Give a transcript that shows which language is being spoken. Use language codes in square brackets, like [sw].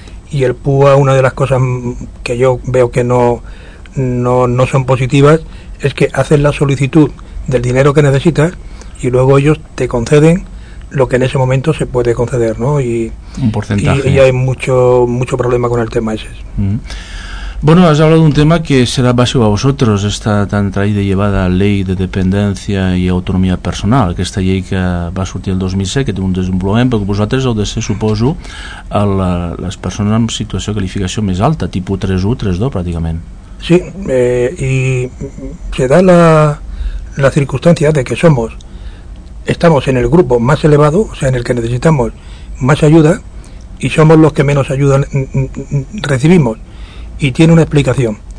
[es] Y el PUA, una de las cosas que yo veo que no son positivas, es que haces la solicitud del dinero que necesitas y luego ellos te conceden lo que en ese momento se puede conceder, ¿no? Y un porcentaje. Y hay mucho problema con el tema ese. Bueno, has hablado de un tema que será básico a vosotros, esta tan traída y llevada ley de dependencia y autonomía personal, que esta ley que va a surtir el 2006, que [ca] té un desenvolupament, perquè vosaltres heu de ser, suposo, les persones amb situació de qualificació més alta, [es] tipus 3-1, 3-2, pràcticament. Sí, y se da la circunstancia de que estamos en el grupo más elevado, o sea, en el que necesitamos más ayuda, y somos los que menos ayuda recibimos. Y tiene una explicación.